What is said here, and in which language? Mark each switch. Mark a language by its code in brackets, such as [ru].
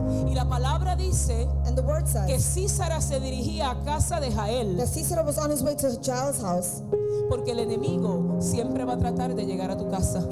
[es] Y la palabra dice que Sísara se dirigía a casa de Jael. [en] That Sísara was on his way to Jael's house. [es] Porque el enemigo siempre va a tratar de llegar a tu casa.